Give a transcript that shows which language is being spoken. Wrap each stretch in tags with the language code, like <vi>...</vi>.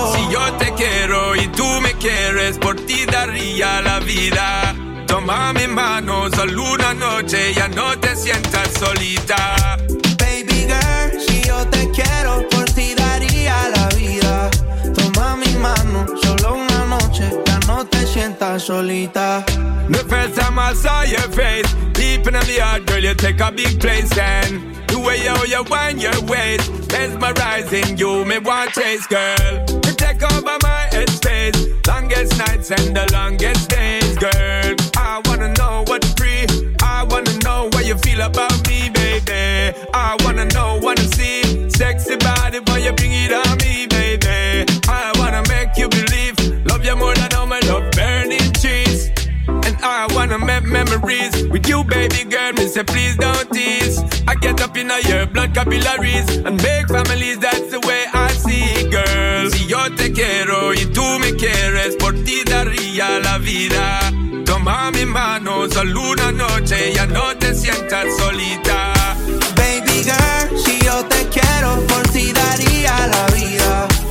<es>Yo te quiero y tú me quieres, por ti daría la vida. Toma mi mano, solo una noche, ya no te sientas solita.</es> <en>Baby girl,</en> <es>si yo te quiero, por ti daría la vida. Toma mi mano, solo una noche, ya no te sientas solita.</es> <en>The first time I saw your face, deep in the heart, girl, you take a big place and the way how you wind your waist, mesmerizing you, me want chase, girl. You take over my headspace, longest nights and the longest days, girl. I wanna know what's free, I wanna know what you feel about me, baby. I wanna know, wanna see, sexy body, boy, you bring it on me, baby. I wanna make you believe, love you more than all my love, burning trees. And I wanna make memories with you, baby girl. Me say, please don't tease. I get up in your blood capillaries and make families, that's the way I see it, girl.</en> <es>Si yo te quiero y tú me quieres, por ti daría la vida. Toma mi mano, solo una noche, ya no te sientas solita.</es> <en>Baby girl,</en> <es>si yo te quiero, por ti daría la vida.</es>